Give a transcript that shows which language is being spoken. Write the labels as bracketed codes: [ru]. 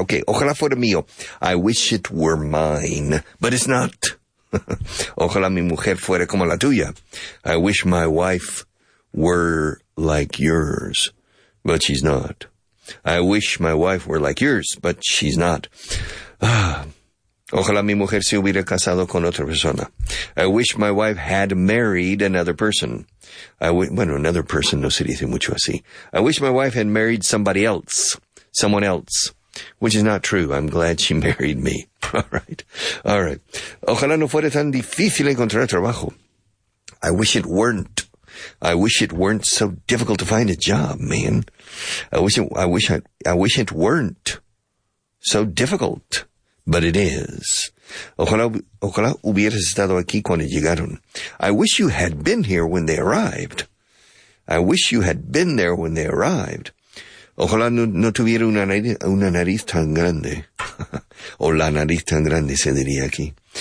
[en] Okay, [es] ojalá fuera mío. [en] I wish it were mine, but it's not. [es] Ojalá mi mujer fuera como la tuya. [en] I wish my wife were like yours, but she's not. I wish my wife were like yours, but she's not. [es] Ojalá mi mujer se hubiera casado con otra persona. [en] I wish my wife had married another person. Another person [es] no se dice mucho así. [en] I wish my wife had married somebody else. Someone else. Which is not true. I'm glad she married me. All right. [es] Ojalá no fuera tan difícil encontrar trabajo. [en] I wish it weren't. I wish it weren't so difficult to find a job, man. I wish it weren't so difficult. But it is. [es] Ojalá hubieras estado aquí cuando llegaron. [en] I wish you had been here when they arrived. I wish you had been there when they arrived. [es] Ojalá no tuviera una nariz tan grande. O la nariz tan grande, se diría aquí.